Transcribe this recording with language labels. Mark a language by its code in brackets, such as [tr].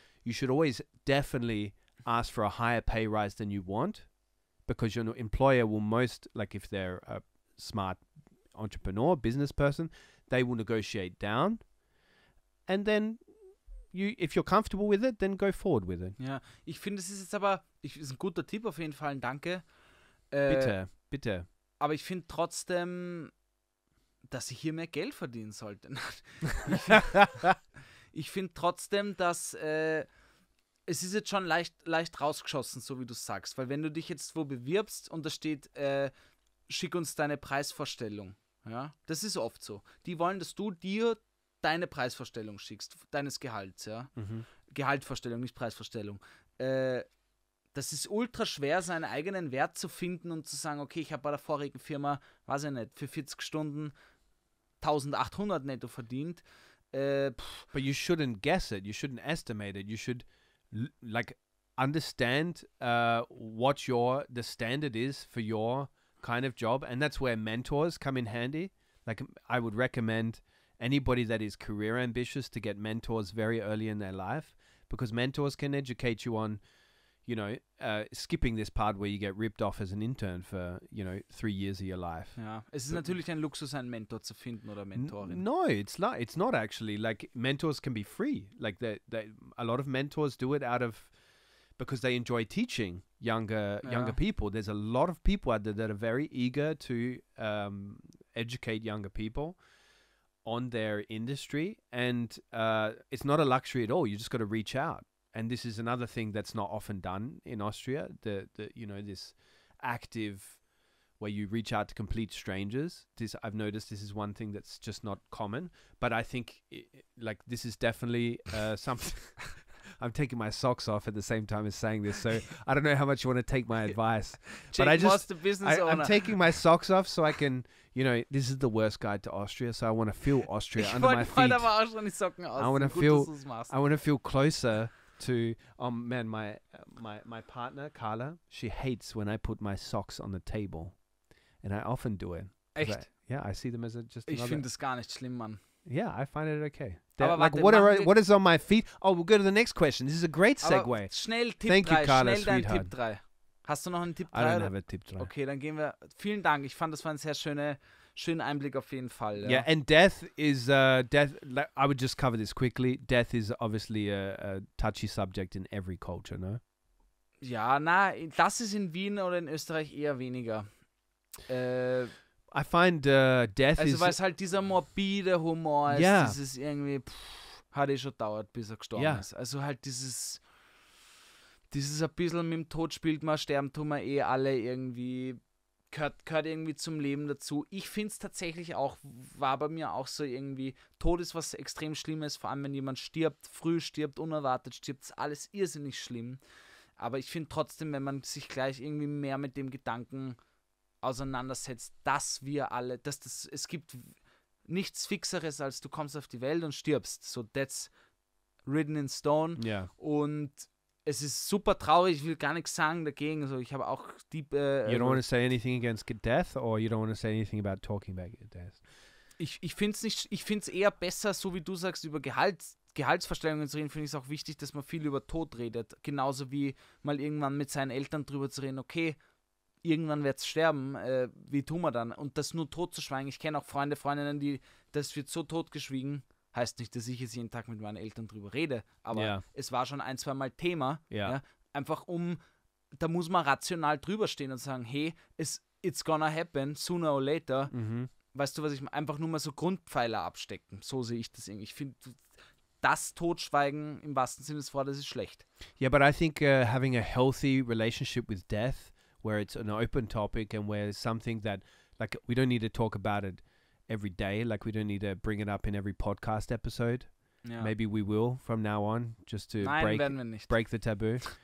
[en] You should always definitely ask for a higher pay rise than you want, because your employer will most, like if they're a smart entrepreneur, business person, they will negotiate down. And then you, if you're comfortable with it, then go forward with it. [de] Yeah, ich finde, es ist jetzt aber, es ist ein guter Tipp auf jeden Fall, danke. Bitte, bitte. Aber ich finde trotzdem, dass ich hier mehr Geld verdienen sollte. Ich finde trotzdem, dass es ist jetzt schon leicht rausgeschossen, so wie du sagst. Weil wenn du dich jetzt wo bewirbst und da steht, schick uns deine Preisvorstellung. Ja? Das ist oft so. Die wollen, dass du dir deine Preisvorstellung schickst, deines Gehalts. Ja? Mhm. Gehaltsvorstellung, nicht Preisvorstellung. Das ist ultra schwer, seinen eigenen Wert zu finden und zu sagen, okay, ich habe bei der vorigen Firma, weiß ich nicht, für 40 Stunden 1800 netto verdient. [en] But you shouldn't guess it. You shouldn't estimate it. You should like understand what the standard is for your kind of job. And that's where mentors come in handy. Like I would recommend anybody that is career ambitious to get mentors very early in their life, because mentors can educate you on, you know, skipping this part where you get ripped off as an intern for, you know, 3 years of your life. Yeah. [de] Es ist natürlich ein Luxus, einen Mentor zu finden oder Mentorin. [en] No, it's not actually. Like, mentors can be free. Like, a lot of mentors do it out of, because they enjoy teaching younger people. There's a lot of people out there that are very eager to educate younger people on their industry. And it's not a luxury at all. You just got to reach out. and this is another thing that's not often done in Austria, the you know, this active where you reach out to complete strangers. This, I've noticed, this is one thing that's just not common, but I think like this is definitely something. I'm taking my socks off at the same time as saying this, so I don't know how much you want to take my advice. But I just, the business owner. I'm taking my socks off so I can, you know, this is the worst guide to Austria, so I want to feel Austria under my feet. [de] Ich wollte aber auch schon die Socken aus. [en] I want to feel closer to, oh man, my partner, Carla, she hates when I put my socks on the table. And I often do it. [de] Echt? [en] I see them as a, just [de] another. Ich finde das gar nicht schlimm, Mann. [en] Yeah, I find it okay. Aber like, what is on my feet? Oh, we'll go to the next question. This is a great segue. Aber [de] schnell Tipp 3. [en] Thank you, Carla, sweetheart. [de] Tipp 3. Hast du noch einen Tipp 3? [en] I don't have a Tipp 3. [de] Okay, dann gehen wir. Vielen Dank. Ich fand, das war ein sehr schönen Einblick auf jeden Fall. Ja. [en] Yeah, and death is, I would just cover this quickly. Death is obviously a touchy subject in every culture, no? [de] Ja, nein, das ist in Wien oder in Österreich eher weniger. [en] I find death also, is... [de] Also, halt dieser morbide Humor ist, yeah. Dieses irgendwie, hat eh schon dauert, bis er gestorben yeah. ist. Also halt dieses ein bisschen mit dem Tod spielt man, sterben tun wir eh alle irgendwie, gehört irgendwie zum Leben dazu. Ich finde es tatsächlich auch, war bei mir auch so irgendwie, Tod ist was extrem Schlimmes, vor allem wenn jemand stirbt, früh stirbt, unerwartet stirbt, ist alles irrsinnig schlimm. Aber ich finde trotzdem, wenn man sich gleich irgendwie mehr mit dem Gedanken auseinandersetzt, dass wir alle, dass das, es gibt nichts Fixeres, als du kommst auf die Welt und stirbst. [en] So, that's written in stone. Yeah. [de] Und es ist super traurig, ich will gar nichts sagen dagegen. So, ich habe auch die... [en] you don't want to say anything against death or you don't want to say anything about talking about death? [de] Ich finde es eher besser, so wie du sagst, über Gehaltsverstellungen zu reden, finde ich es auch wichtig, dass man viel über Tod redet. Genauso wie mal irgendwann mit seinen Eltern drüber zu reden, okay, irgendwann wird es sterben, wie tun wir dann? Und das nur tot zu schweigen. Ich kenne auch Freunde, Freundinnen, die, das wird so totgeschwiegen. Heißt nicht, dass ich jetzt jeden Tag mit meinen Eltern drüber rede, aber es war schon ein, zweimal Thema. [en] Yeah. Ja? [de] Einfach um, da muss man rational drüber stehen und sagen, hey, [en] it's gonna happen, sooner or later. Mhm. [de] Weißt du, was ich meine? Einfach nur mal so Grundpfeiler abstecken. So sehe ich das irgendwie. Ich finde, das Totschweigen im wahrsten Sinne des Wortes ist schlecht. [en] Yeah, but I think having a healthy relationship with death, where it's an open topic and where it's something that, like, we don't need to talk about it every day. Like, we don't need to bring it up in every podcast episode. Yeah. Maybe we will from now on, just to break the taboo.